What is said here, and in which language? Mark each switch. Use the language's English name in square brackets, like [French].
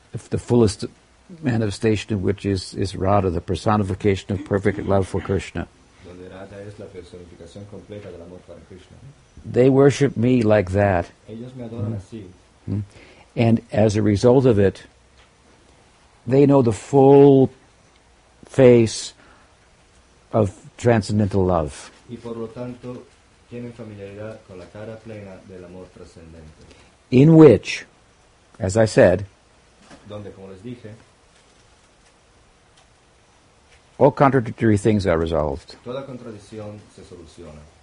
[English] The fullest manifestation of which is Radha, the personification of perfect love for Krishna. [Spanish] Donde Radha es la personificación completa del amor para Krishna. [English] They worship me like that. [Spanish] Ellos me adoran así. [English] And as a result of it, they know the full face of transcendental love. [Spanish] Y por lo tanto, tienen familiaridad con la cara plena del amor trascendente. [English] In which, as I said, [Spanish] donde, como les dije, [English] all contradictory things are resolved. [Spanish] Toda contradicción se soluciona.